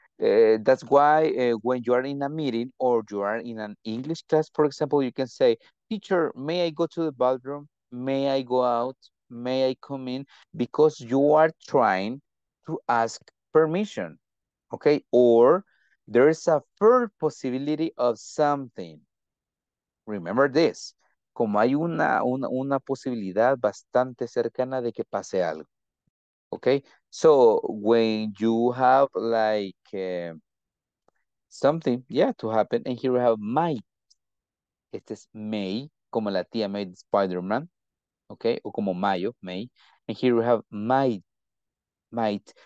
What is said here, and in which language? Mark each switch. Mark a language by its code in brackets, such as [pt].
[en] That's why when you are in a meeting or you are in an English class, for example, you can say, teacher, may I go to the bathroom? May I go out? May I come in? Because you are trying to ask permission, okay? Or there is a fair possibility of something. Remember this. [es] Como hay una posibilidad bastante cercana de que pase algo, okay? [en] So when you have like something, yeah, to happen, and here we have might. [es] Este es may, como la tía May Spider-Man, okay? O como mayo, may. [en] And here we have might. Might.